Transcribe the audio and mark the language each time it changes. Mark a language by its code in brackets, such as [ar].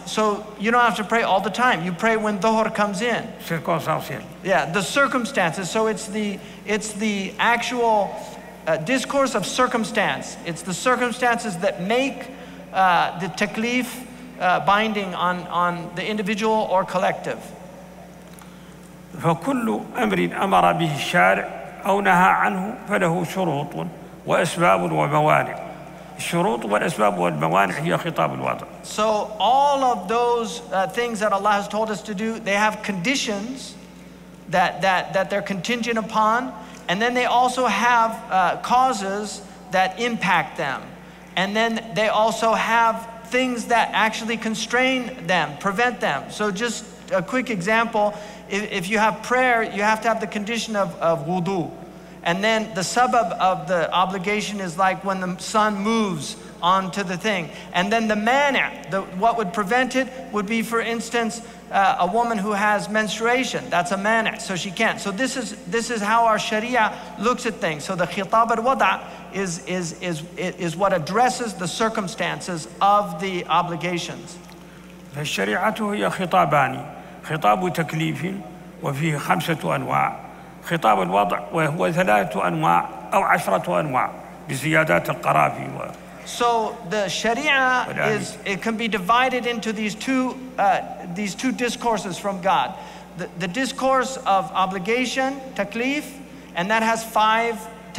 [en] So you don't have to pray all the time. You pray when dhuhr comes in. Circumstances. Yeah, the circumstances. So it's the actual discourse of circumstance. It's the circumstances that make the taklif binding on the individual or collective. [ar] فكل أمر أمر به الشارع أو نهى عنه فله شروط وأسباب وموانع. الشروط والأسباب والموانع هي خطاب الوضع. [en] So all of those things that Allah has told us to do, they have conditions that they're contingent upon, and then they also have causes that impact them, and then they also have things that actually constrain them, prevent them. So just a quick example, if you have prayer, you have to have the condition of wudu. And then the sabab of the obligation is like when the sun moves onto the thing. And then the mani', what would prevent it, would be, for instance, a woman who has menstruation. That's a mani', so she can't. So this is how our Sharia looks at things. So the khitab al-wada' is what addresses the circumstances of the obligations. [ar] الشريعه هي خطابان، خطاب تكليف وفيه خمسه انواع، خطاب الوضع وهو ثلاثه انواع او عشره انواع بزيادات القرافي. [en] So the Sharia is, it can be divided into these two discourses from God. The discourse of obligation, تكليف, and that has five t-